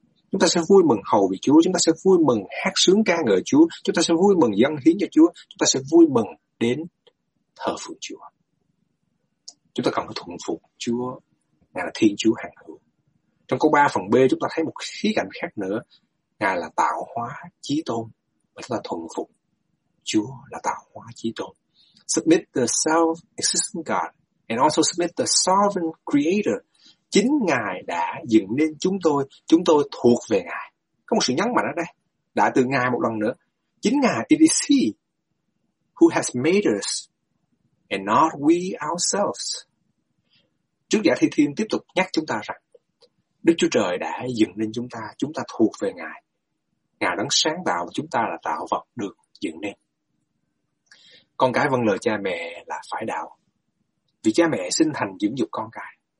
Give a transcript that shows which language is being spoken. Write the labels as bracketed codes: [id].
[vi] Chúng ta sẽ vui mừng hầu vì Chúa, chúng ta sẽ vui mừng hát sướng ca ngợi Chúa, chúng ta sẽ vui mừng dâng hiến cho Chúa, chúng ta sẽ vui mừng đến thờ phượng Chúa. Chúng ta cần phải thuận phục Chúa, Ngài là Thiên Chúa hằng hữu. Trong câu 3 phần B chúng ta thấy một khía cạnh khác nữa, Ngài là tạo hóa chí tôn, và chúng ta thuận phục Chúa là tạo hóa chí tôn. [en] Submit the self-existent God and also submit the sovereign creator. [vi] Chính Ngài đã dựng nên chúng tôi thuộc về Ngài. Có một sự nhấn mạnh ở đây, đã từ Ngài một lần nữa. Chính Ngài, [en] it is He who has made us and not we ourselves. [vi] Trước giả thi thiên tiếp tục nhắc chúng ta rằng, Đức Chúa Trời đã dựng nên chúng ta thuộc về Ngài. Ngài đấng sáng tạo chúng ta là tạo vật được dựng nên. Con cái vâng lời cha mẹ là phải đạo, vì cha mẹ sinh thành dưỡng dục con cái.